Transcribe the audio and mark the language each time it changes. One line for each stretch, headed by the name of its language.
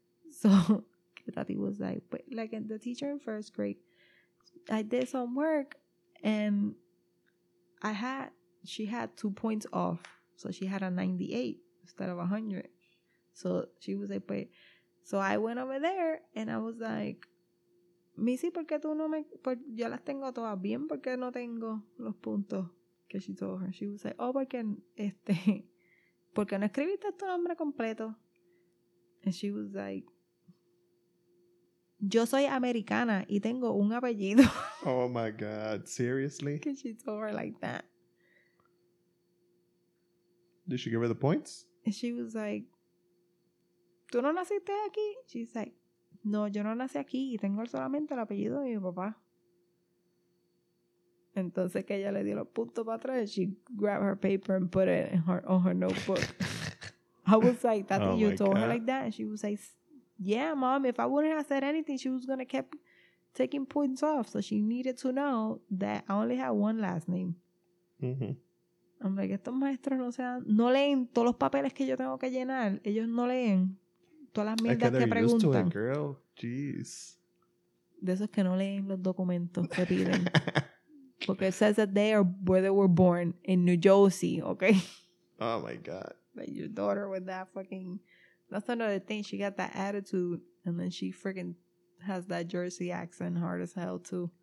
English: So, Daddy was like, but, like, the teacher in first grade, I did some work. And she had 2 points off. So, she had a 98. Instead of 100. So she was like, but so I went over there and I was like, Missy,
Spanish: ¿por qué tú no me? Por, yo las tengo todas bien, ¿por qué no tengo los puntos? Que
English: she told her. She was like,
Spanish: oh, porque este, ¿por qué no escribiste tu nombre completo?
English: And she was like,
Spanish: yo soy americana y tengo un apellido.
English: Oh my God, seriously? Que she told her like that. Did she give her the points? And she was like,
Spanish: ¿tú no naciste aquí?
English: She's like,
Spanish: no, yo no nací aquí. Tengo solamente el apellido de mi papá. Entonces que ella le dio los puntos para atrás.
English: She grabbed her paper and put it on her notebook. I was like, that's what you told her like that? And she was like, yeah, mom, if I wouldn't have said anything, she was going to keep taking points off. So she needed to know that I only had one last name. Mm-hmm. I'm like,
Spanish: estos maestros no leen todos los papeles que yo tengo que llenar. Ellos no leen todas las mierdas que preguntan.
English: Used to it, girl. Jeez.
Spanish: De esos que no leen los documentos que piden.
English: Porque it says that they are where they were born in New Jersey, okay? Oh, my God. Like your daughter with that fucking... That's another thing. She got that attitude. And then she freaking has that Jersey accent hard as hell, too.